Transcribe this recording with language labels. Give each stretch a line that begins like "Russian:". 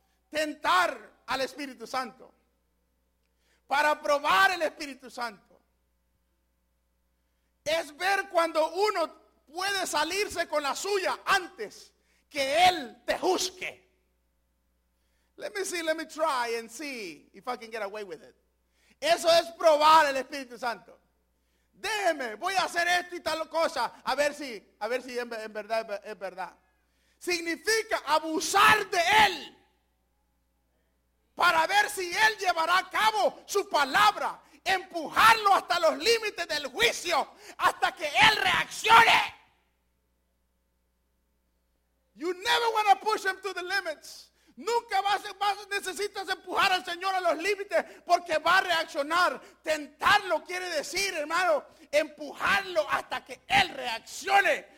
Spanish: Tentar al Espíritu Santo. Para probar el Espíritu Santo. Es ver cuando uno puede salirse con la suya antes que él te juzgue.
English: Let me try and see if I can get away with it.
Spanish: Eso es probar el Espíritu Santo. Déjeme, voy a hacer esto y tal cosa, a ver si en verdad. Significa abusar de él para ver si él llevará a cabo su palabra, empujarlo hasta los límites del juicio, hasta que él reaccione.
English: You never want to push him to the limits.
Spanish: Nunca necesitas empujar al Señor a los límites porque va a reaccionar. Tentarlo quiere decir, hermano, empujarlo hasta que él reaccione.